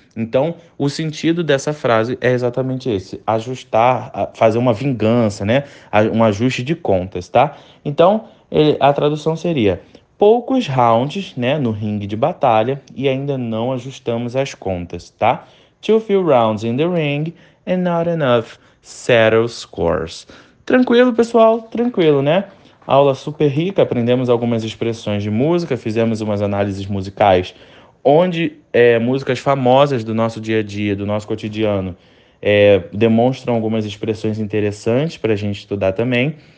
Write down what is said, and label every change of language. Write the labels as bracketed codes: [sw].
[pt] Então, o sentido dessa frase é exatamente esse: ajustar, fazer uma vingança, né? Um ajuste de contas, tá? Então, a tradução seria: poucos rounds, né, no ringue de batalha e ainda não ajustamos as contas, tá? [en] Too few rounds in the ring and not enough settle scores. [pt] Tranquilo, pessoal, tranquilo, né? Aula super rica, aprendemos algumas expressões de música, fizemos umas análises musicais onde músicas famosas do nosso dia a dia, do nosso cotidiano, demonstram algumas expressões interessantes para a gente estudar também.